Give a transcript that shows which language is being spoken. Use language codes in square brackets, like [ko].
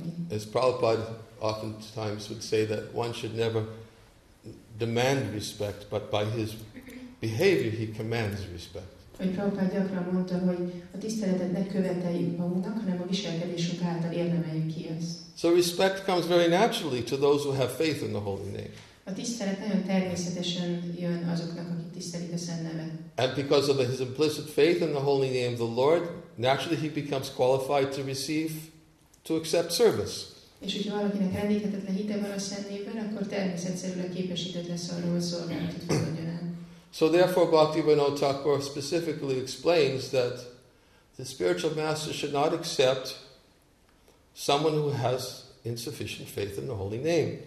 [en] As Prabhupada oftentimes would say that one should never demand respect, but by his behavior, he commands respect. [hu] Hogy Prabhupada gyakran mondta, hogy a tiszteletet ne követeljük magunknak, hanem a viselkedésünk által érdemeljük ki azt. [en] So respect comes very naturally to those who have faith in the holy name. [hu] A tisztelet nagyon természetesen jön azoknak, akik tisztelik a szent nevet. [en] And because of his implicit faith in the holy name of the Lord, naturally he becomes qualified to receive, to accept service. [hu] És hogyha valakinek rendíthetetlen hite van a szemében, akkor természetszerűen képesített lesz arra, hogy szolgálatot fogadjon el. [en] So therefore Bhaktivinoda Thakur specifically explains that the spiritual master should not accept someone who has insufficient faith in the holy name.